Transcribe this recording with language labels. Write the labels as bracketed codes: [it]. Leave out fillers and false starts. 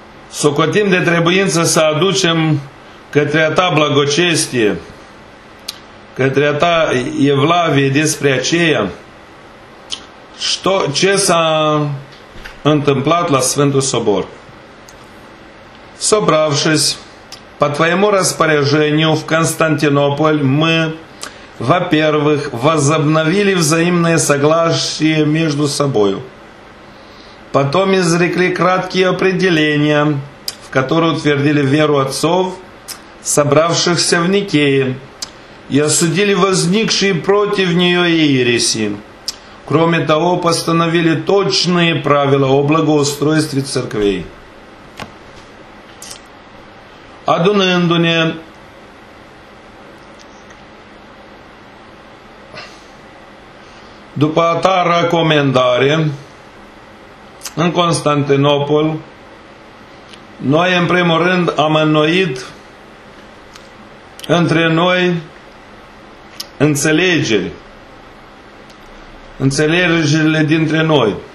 [ro] Socotim de trebuință să aducem către a ta blagocestie, către a ta evlavie despre aceea ce s-a întâmplat la Sfântul Sobor. [ru] Собравшись по твоему распоряжению в Константинополь, мы, во-первых, возобновили взаимное согласие между собою. Потом изрекли краткие определения, в которые утвердили веру отцов, собравшихся в Никее, и осудили возникшие против нее ереси. Кроме того, постановили точные правила о благоустройстве церквей. [ro] Адунэндуне după a ta recomandare, în Constantinopol, noi, în primul rând, am înnoit între noi înțelegeri, înțelegerile dintre noi.